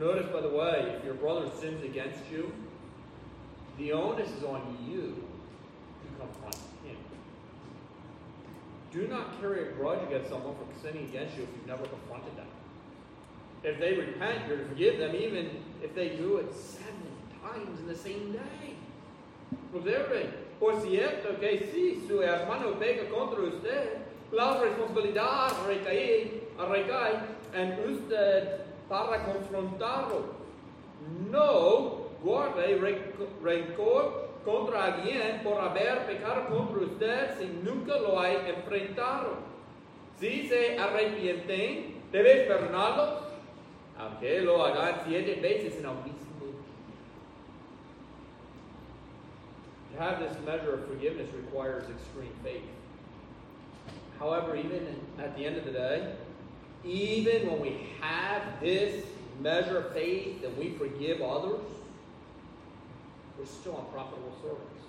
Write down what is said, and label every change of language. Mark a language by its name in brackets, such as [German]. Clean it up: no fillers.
[English] Notice, by the way, if your brother sins against you, the onus is on you to confront him. Do not carry a grudge against someone for sinning against you if you've never confronted them. If they repent, you're to forgive them, even if they do it 7 times in the same day. [Spanish] Observe, por cierto que si su hermano pega contra usted, la responsabilidad recae en usted para confrontarlo. No guarde rencor contra alguien por haber pecado contra usted si nunca lo ha enfrentado. Si se arrepienten, debes perdonarlo. Aunque él lo haga siete veces en el mismo día. [English] To have this measure of forgiveness requires extreme faith. However, even at the end of the day, even when we have this measure of faith that we forgive others, we're still unprofitable servants.